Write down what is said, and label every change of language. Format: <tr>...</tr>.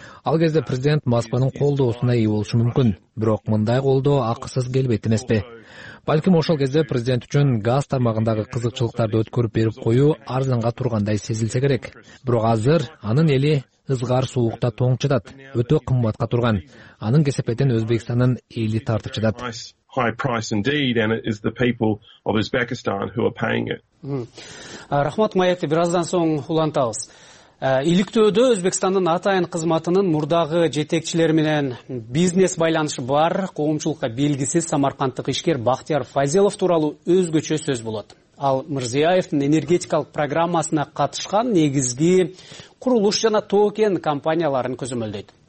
<ky>Ал кезде президент Москванын колдоосуна ээ болушу мүмкүн, бирок мындай колдоо акысыз келбейт эмеспи? Балким ошол кезде президент үчүн газ тармагындагы кызыкчылыктарды өткөрүп берип коюу арзанга тургандай сезилсе керек. Бирок азыр анын эли ызгар суукта тоң жатат, өтө кымбатка турган. Анын кесепетин Өзбекстандын эли тартып жатат.</ky> <en>High price indeed, and it is the people of Uzbekistan who are paying it.</en> <ky>Рахмат маекти бир аздан соң улантабыз. Иликтөөдө Өзбекстандын атайын кызматынын мурдагы жетекчилери менен бизнес байланышы бар коомчулукка белгисиз самаркандтык ишкер Бахтияр Файзелов тууралуу өзгөчө сөз болот. Ал Мырзияевдин энергетикалык программасына катышкан негизги курулуш жана тоокен компанияларын көзөмөлдөйт.</ky>